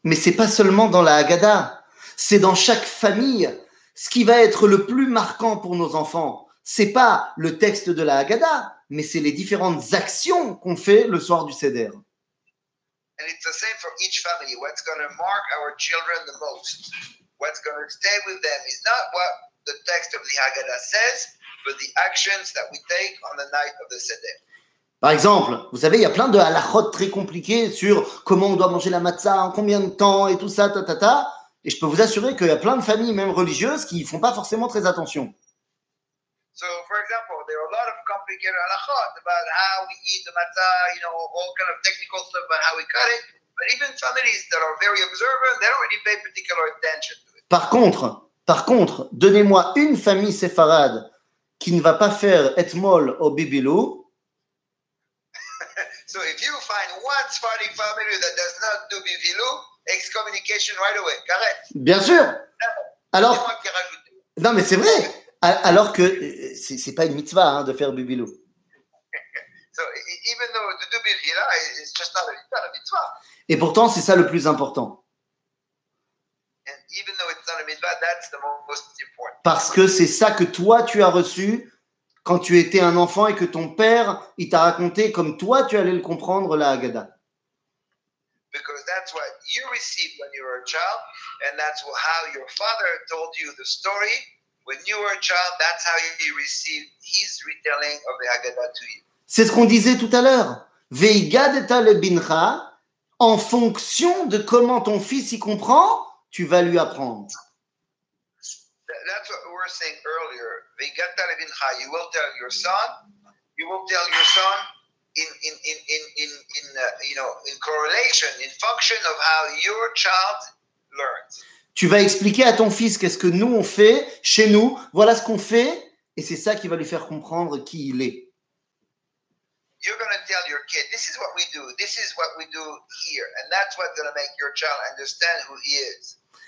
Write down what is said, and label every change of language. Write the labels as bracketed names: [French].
[French] Mais ce n'est pas seulement dans la Haggadah. C'est dans chaque famille. Ce qui va être le plus marquant pour nos enfants, ce n'est pas le texte de la Haggadah, mais c'est les différentes actions qu'on fait le soir du Seder. [English] And it's the same for each family. What's going to mark our children the most? What's going to stay with them is not what the text of the Haggadah says, but the actions that we take on the night of the Seder. [French] Par exemple, vous savez, il y a plein de halachot très compliqués sur comment on doit manger la matzah, en combien de temps et tout ça, ta ta ta. Et je peux vous assurer qu'il y a plein de familles, même religieuses, qui ne font pas forcément très attention. [English] So, for example, there are a lot of complicated halachot about how we eat the matzah, you know, all kind of technical stuff about how we cut it. But even families that are very observant, they don't really pay particular attention to it. [French] Par contre, donnez-moi une famille séfarade qui ne va pas faire etmol au bibilou. [English] So if you find one Sephardic family that does not do bibilou, excommunication right away, correct? [French] Bien sûr. Alors, c'est moi qui rajoute. Non, mais c'est vrai. Alors que ce n'est pas une mitzvah hein, de faire bubilou. [English] So, even though to do bubilou, it's just not a mitzvah. [French] Et pourtant, c'est ça le plus important. [English] And even though it's not a mitzvah, that's the most important. [French] Parce que c'est ça que toi, tu as reçu quand tu étais un enfant et que ton père, il t'a raconté comme toi, tu allais le comprendre, la Haggadah. [English] Because that's what you received when you were a child, and that's how your father told you the story. When you were a child, that's how he received his retelling of the Haggadah to you. [French] C'est ce qu'on disait tout à l'heure. [Hebrew] Veigadeta lebincha, [French] en fonction de comment ton fils y comprend, tu vas lui apprendre. [English] That's what we were saying earlier. [Hebrew] Veigadeta lebincha, [English] you will tell your son. You will tell your son. In correlation, in function of how your child learns. [French] Tu vas expliquer à ton fils qu'est-ce que nous on fait chez nous. Voilà ce qu'on fait, et c'est ça qui va lui faire comprendre qui il est. [English] You're going to tell your kid, this is what we do. This is what we do here, and that's what's going to make your child understand who he is.